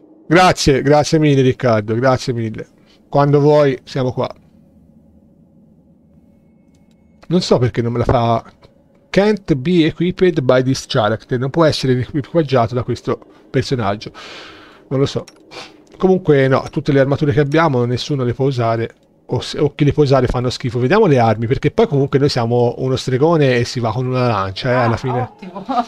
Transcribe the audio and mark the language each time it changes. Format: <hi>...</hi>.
<it>Grazie, grazie mille Riccardo, grazie mille. Quando vuoi, siamo qua. Non so perché non me la fa...</it> <en>Can't be equipped by this character.</en> <it>Non può essere equipaggiato da questo personaggio. Non lo so. Comunque no, tutte le armature che abbiamo nessuno le può usare. O chi le può usare fanno schifo. Vediamo le armi, perché poi comunque noi siamo uno stregone e si va con una lancia, alla fine. Ottimo.</it>